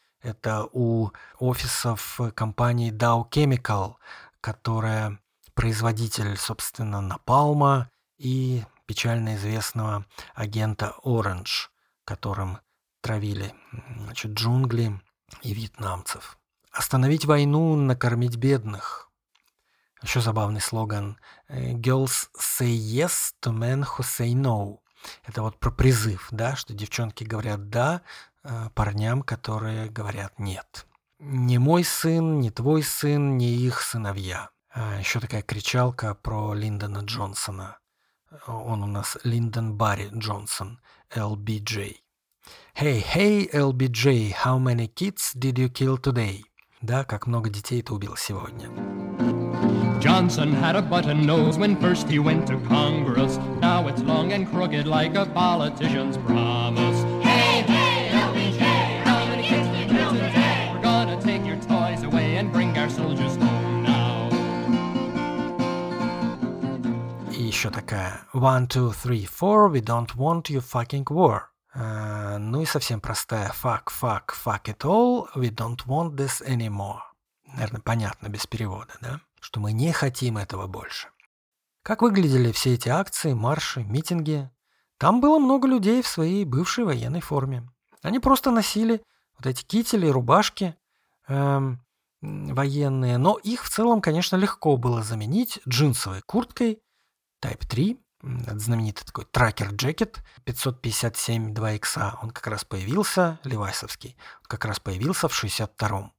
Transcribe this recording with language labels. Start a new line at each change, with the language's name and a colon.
Russian: Это у офисов компании Dow Chemical, которая производитель, собственно, напалма и печально известного агента Orange, которым травили, джунгли и вьетнамцев. «Остановить войну, накормить бедных». Еще забавный слоган:
English: «Girls say yes to men who say no».
Russian: Это вот про призыв, да, что девчонки говорят «да» парням, которые говорят «нет». «Не мой сын, не твой сын, не их сыновья». Еще такая кричалка про Линдона Джонсона. Он у нас Линдон Барри Джонсон, LBJ.
English: «Hey, hey, LBJ, how many kids did you kill today?»
Russian: Да, «Как много детей ты убил сегодня?»
English: Johnson had a button nose when first he went to Congress. Now it's long and crooked like a politician's promise. Hey, hey, LBJ, how many kids did you kill today? We're gonna take your toys away and bring our soldiers home now.
Russian: И еще такая:
English: 1, 2, 3, 4, we don't want your fucking war.
Russian: И совсем простая:
English: fuck, fuck, fuck it all, we don't want this anymore.
Russian: Наверное, понятно без перевода, да? Что мы не хотим этого больше. Как выглядели все эти акции, марши, митинги? Там было много людей в своей бывшей военной форме. Они просто носили вот эти кители, рубашки военные, но их в целом, конечно, легко было заменить джинсовой курткой Type 3, это знаменитый такой тракер-джекет 557-2X, он как раз появился, левайсовский, он как раз появился в 62-м.